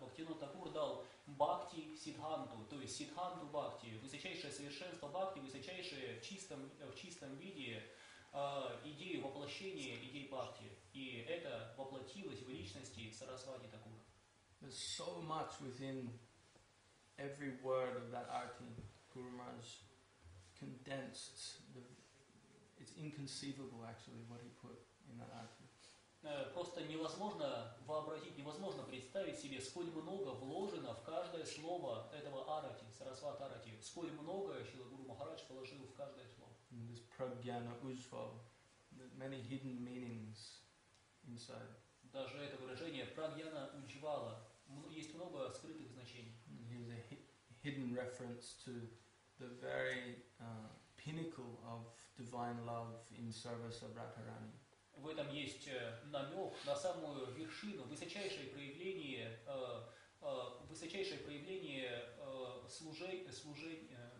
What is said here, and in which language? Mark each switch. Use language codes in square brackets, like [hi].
[ru] Бхактивинода Такур дал Бхакти Сиддханту, то есть Сиддханту Бхакти, высочайшее совершенство Бхакти, высочайшее в чистом виде идею воплощения идей Бхакти. И это воплотилось в личности Сарасвати Такура. [en] There's so much within every word of that arti. Guru Maharaj condensed. It's inconceivable, actually, what he put in that arti. [ru] Просто невозможно вообразить, невозможно представить себе, сколь много вложено в каждое слово этого арати, Сарасват арати, сколь много Шрила Гуру Махарадж положил в каждое слово. [en] This prajnana ujva, many hidden meanings inside. [ru] Даже это выражение прагьяна уджвала, есть много скрытых значений. [en] Here's a hidden reference to the very pinnacle of divine love in service of Radharani. [ru] в этом есть намек на самую вершину, высочайшее проявление высочайшее проявление служения.